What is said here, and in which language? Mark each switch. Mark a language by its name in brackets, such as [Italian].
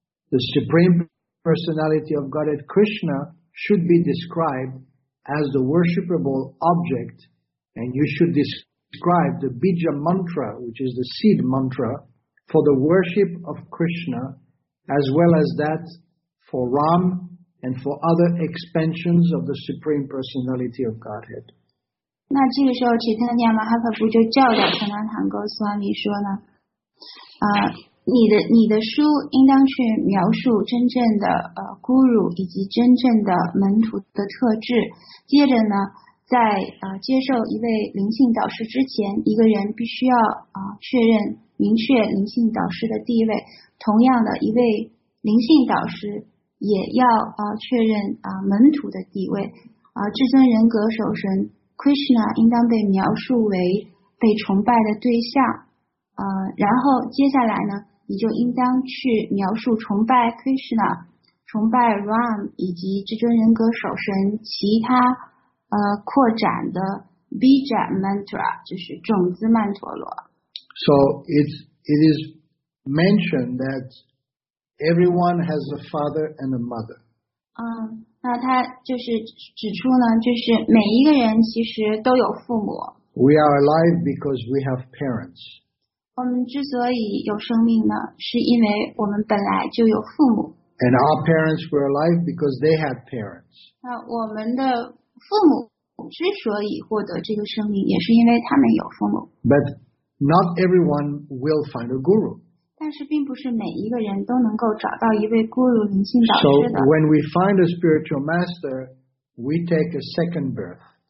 [English] The supreme personality of Godhead Krishna should be described as the worshipable object. And you should describe the Bija mantra, which is the seed mantra, for the worship of Krishna, as well as that for Ram and for other expansions of the Supreme Personality of Godhead. [Chinese] 那这个时候，其他的亚马哈帕布就教导陈南坦格斯瓦米说呢，你的书应当去描述真正的guru 以及真正的门徒的特质，接着呢。在接受一位灵性导师之前，一个人必须要确认明确灵性导师的地位。同样的，一位灵性导师也要确认门徒的地位。至尊人格首神 Krishna 应当被描述为被崇拜的对象。然后接下来呢，你就应当去描述崇拜 Krishna、崇拜 Ram 以及至尊人格首神其他。扩展的 Bija Mantra 就是种子曼陀罗。 [English] So it is mentioned that everyone has a father and a mother. [Chinese] 那他就是指出呢，就是每一个人其实都有父母。 [English] We are alive because we have parents. [Chinese] 我们之所以有生命呢，是因为我们本来就有父母。 [English] And our parents were alive because they had parents. [Chinese] 那我们的父母之所以获得这个生命，也是因为他们有父母。 [English] But not everyone will find a guru. [Chinese] 但是并不是每一个人都能够找到一位 guru 灵性导师的。 [English] So when we find a spiritual master, we take a second birth.